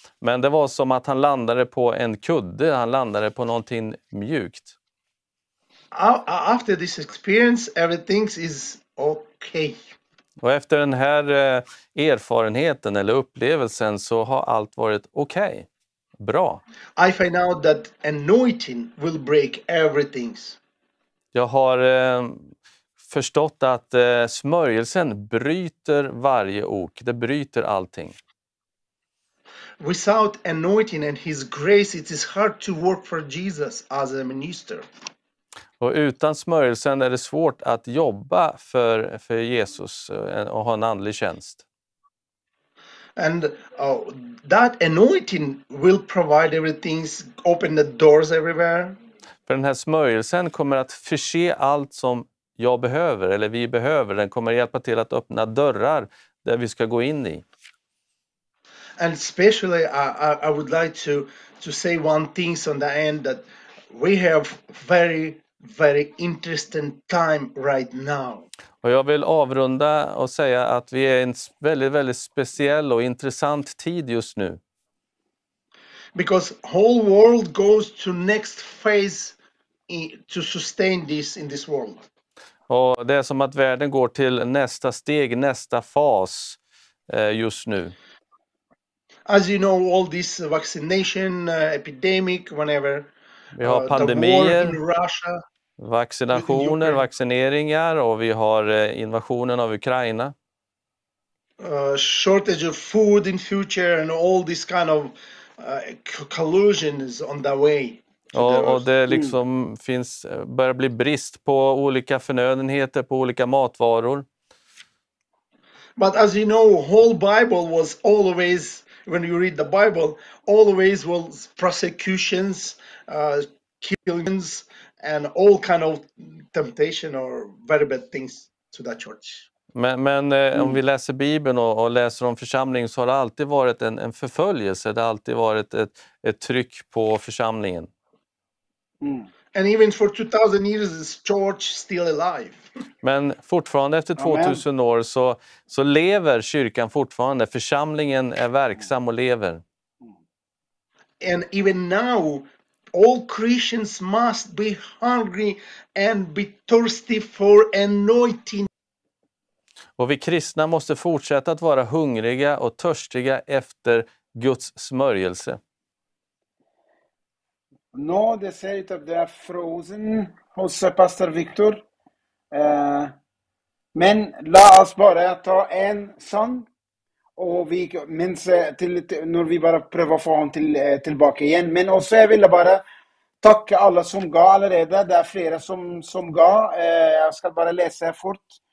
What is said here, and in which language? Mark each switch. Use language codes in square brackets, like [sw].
[sv] Men det var som att han landade på en kudde. Han landade på någonting mjukt. [en] After this experience, everything is okay. [sv] Och efter den här erfarenheten eller upplevelsen så har allt varit okej. Bra. [en] I find out that anointing will break everything. [sv] Jag har förstått att smörjelsen bryter varje ok. Det bryter allting. [en] Without anointing and his grace, it is hard to work for Jesus as a minister. [sv] Och utan smörjelsen är det svårt att jobba för Jesus och ha en andlig tjänst. [en] And that anointing will provide everything, open the doors everywhere. [sv] För den här smörjelsen kommer att förse allt som jag behöver eller vi behöver. Den kommer hjälpa till att öppna dörrar där vi ska gå in i. [en] And especially I would like to say one thing on the end that we have very very interesting time right now. [sv] Och jag vill avrunda och säga att vi är i en väldigt väldigt speciell och intressant tid just nu. [en] Because whole world goes to next phase to sustain this in this world. [sv] Och det är som att världen går till nästa steg, nästa fas just nu. [en] As you know, all this vaccination epidemic, whenever [sv] vi har pandemier, [en] the war in Russia, [sv] vaccinationer, vaccineringar, och vi har invasionen av Ukraina. [en] Shortage of food in future and all this kind of collusion is on the way. [sv] Och det liksom finns, börjar bli brist på olika förnödenheter, på olika matvaror. [en] But as you know, whole Bible was always, when you read the Bible, always was prosecutions, killings and all kind of temptation or very bad things to that church. [sv] Men om vi läser Bibeln och läser om församlingen så har det alltid varit en förföljelse. Det har alltid varit ett tryck på församlingen. Mm. [en] And even for 2000 years is church still alive. [sv] Men fortfarande efter 2000 år så lever kyrkan fortfarande. Församlingen är verksam och lever. [en] And even now all Christians must be hungry and be thirsty for anointing. [sv] Och vi kristna måste fortsätta att vara hungriga och törstiga efter Guds smörjelse. [en] No, they say that they are frozen hos Pastor Victor. [sv] Men la oss bara ta en sång och vi minns när vi bara prövar få honom tillbaka igen. Men också jag vill bara tacka alla som gav allerede. Det är flera som gav. Jag ska bara läsa fort.